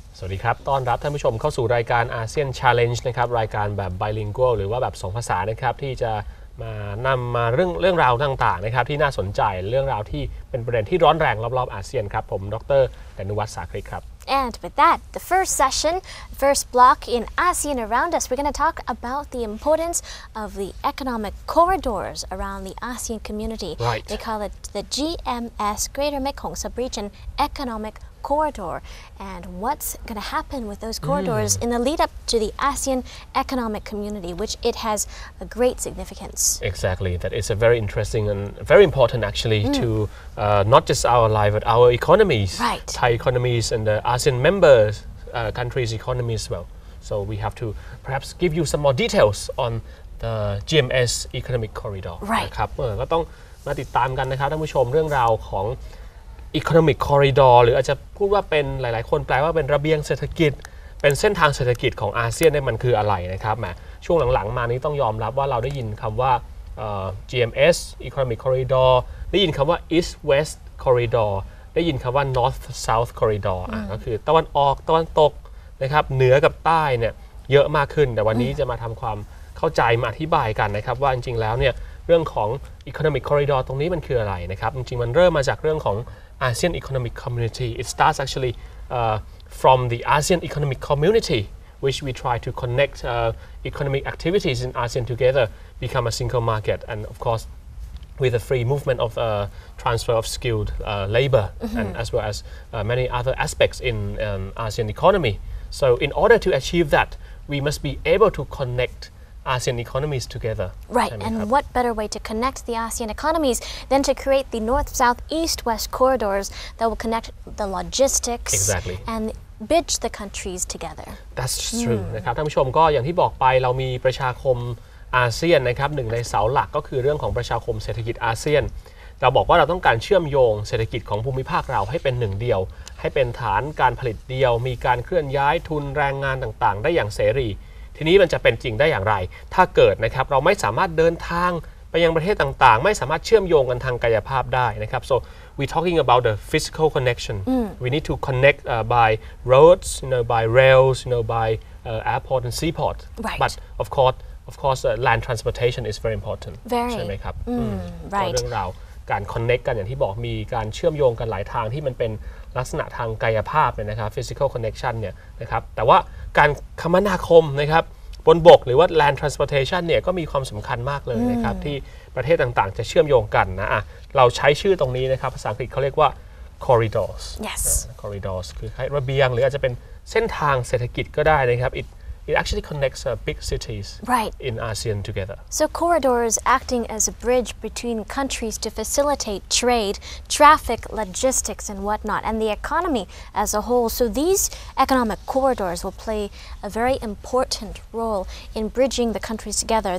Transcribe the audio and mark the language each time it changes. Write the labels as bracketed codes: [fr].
[th] สวัสดีครับต้อนรับท่านผู้ชมเข้าสู่รายการ ASEAN Challenge นะครับรายการแบบ bilingual หรือว่าแบบ2ภาษานะครับที่จะมานำมาเรื่องราวต่างๆนะครับที่น่าสนใจเรื่องราวที่เป็นประเด็นที่ร้อนแรงรอบๆอาเซียนครับผมดร. ดนุวัฒน์ สาคริครับ [en] And with that the first session first block in ASEAN around us we're going to talk about the importance of the economic corridors around the ASEAN community right. they call it the GMS Greater Mekong Sub Region Economic Corridor and what's going to happen with those corridors in the lead up to the ASEAN Economic Community which it has a great significance exactly that is a very interesting and very important actually to not just our life but our economies right. Thai economies and the ASEAN members countries economy as well so we have to perhaps give you some more details on the GMS Economic Corridor right [th] ครับก็ต้องมาติดตามกันนะครับท่านผู้ชมเรื่องราวของeconomic corridor หรืออาจจะพูดว่าเป็นหลายๆคนแปลว่าเป็นระเบียงเศรษฐกิจเป็นเส้นทางเศรษฐกิจของอาเซียนเนี่ยมันคืออะไรนะครับแหมช่วงหลังๆมานี้ต้องยอมรับว่าเราได้ยินคำว่า GMS economic corridor ได้ยินคำว่า east west corridor ได้ยินคำว่า north south corridor ก็คือตะวันออกตะวันตกนะครับเหนือกับใต้เนี่ยเยอะมากขึ้นแต่วันนี้จะมาทำความเข้าใจมาอธิบายกันนะครับว่าจริงๆแล้วเนี่ยเรื่องของ economic corridor ตรงนี้มันคืออะไรนะครับจริงๆมันเริ่มมาจากเรื่องของASEAN Economic Community. [en] It starts actually from the ASEAN Economic Community, which we try to connect economic activities in ASEAN together, become a single market, and of course, with the free movement of transfer of skilled labor, and as well as many other aspects in ASEAN economy. So in order to achieve that, we must be able to connectASEAN economies together. Right, and what better way to connect the ASEAN economies than to create the North, South, East, West corridors that will connect the logistics exactly. and bridge the countries together. That's true. [th] นะครับท่านผู้ชมก็อย่างที่บอกไปเรามีประชาคมอาเซียนนะครับหนึ่งในเสาหลักก็คือเรื่องของประชาคมเศรษฐกิจอาเซียน เราบอกว่าเราต้องการเชื่อมโยงเศรษฐกิจของภูมิภาคเราให้เป็นหนึ่งเดียวให้เป็นฐานการผลิตเดียวมีการเคลื่อนย้ายทุนแรงงานต่างๆได้อย่างเสรีทีนี้มันจะเป็นจริงได้อย่างไรถ้าเกิดนะครับเราไม่สามารถเดินทางไปยังประเทศต่างๆไม่สามารถเชื่อมโยงกันทางกายภาพได้นะครับ [en] so we talking about the physical connection we need to connect by roads you know by rails you know by airport and seaport right. but of course land transportation is very important very. [th] ใช่ไหมครับ [en] right. [th] เรื่องราวการ connect กันอย่างที่บอกมีการเชื่อมโยงกันหลายทางที่มันเป็นลักษณะทางกายภาพเนี่ยนะครับ physical connection เนี่ยนะครับแต่ว่าการคมนาคมนะครับบนบกหรือว่า land transportation เนี่ยก็มีความสำคัญมากเลยนะครับที่ประเทศต่างๆจะเชื่อมโยงกันนะเราใช้ชื่อตรงนี้นะครับภาษาอังกฤษเขาเรียกว่า corridors yes corridors คือระเบียงหรืออาจจะเป็นเส้นทางเศรษฐกิจก็ได้นะครับ [en] It actually connects big cities right. in ASEAN together. So corridors acting as a bridge between countries to facilitate trade, traffic, logistics and whatnot, and the economy as a whole. So these economic corridors will play a very important role in bridging the countries together.